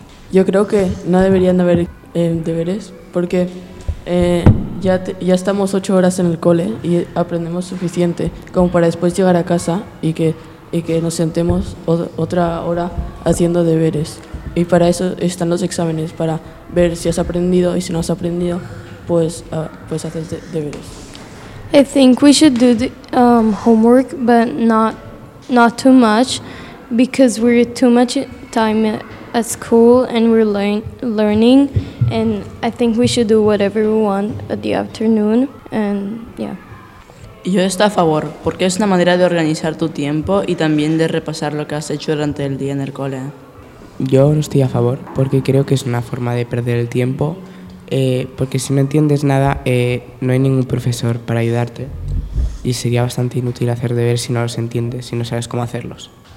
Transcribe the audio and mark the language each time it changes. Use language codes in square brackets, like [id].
[es] Yo creo que no deberían haber deberes porque ya estamos 8 horas en el cole y aprendemos suficiente como para después llegar a casa y que nos sentemos otra hora haciendo deberes. Y para eso están los exámenes, para ver si has aprendido y si no has aprendido, pues haces deberes. [en] I think we should do the homework, but not too much, because we're too much time at school and we're learning, and I think we should do whatever we want at the afternoon, and yeah. [es] Yo estoy a favor, porque es una manera de organizar tu tiempo y también de repasar lo que has hecho durante el día en el cole. Yo no estoy a favor, porque creo que es una forma de perder el tiempo, porque si no entiendes nada, no hay ningún profesor para ayudarte y sería bastante inútil hacer deberes si no los entiendes, si no sabes cómo hacerlos.